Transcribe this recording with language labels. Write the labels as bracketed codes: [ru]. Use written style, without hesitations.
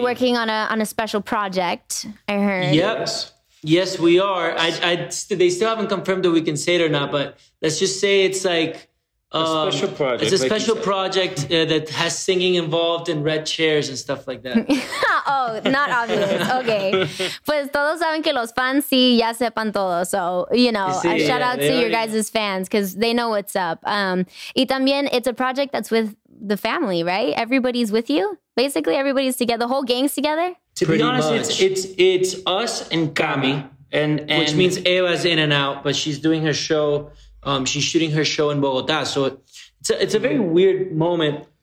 [en] Are working on a special project, I heard. Yep. Yes, we are. They still haven't confirmed that we can say it or not, but let's just say it's like... A special project. It's a special project that has singing involved and red chairs and stuff like that. Oh, not obvious. Okay. [es] Pues todos saben que los fans sí ya sepan todo. [en] So, you know, a shout out to your guys' fans because they know what's up. [es] Y también, [en] it's a project that's with the family, right? Everybody's with you? Basically, everybody's together. The whole gang's together? To be honest, it's us and Cami. And which means Eva's in and out, but she's doing her show. She's shooting her show in Bogota. So it's a very weird moment